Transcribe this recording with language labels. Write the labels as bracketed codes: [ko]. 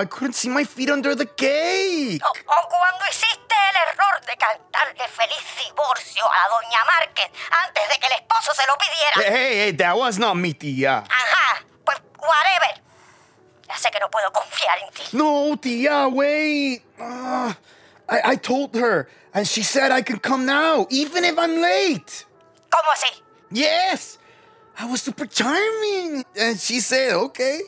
[en] I couldn't see my feet under the cake. [es] O cuando hiciste el error de cantarle feliz divorcio a Doña Márquez antes de que el esposo se lo pidiera. [en] Hey, that was not [es] mi tía. Ajá, pues whatever. Ya sé que no puedo confiar en ti. No, tía, wait. [en] I told her, and she said I can come now, even if I'm late. [es] ¿Cómo así? [en] Yes! I was super charming, and she said, okay.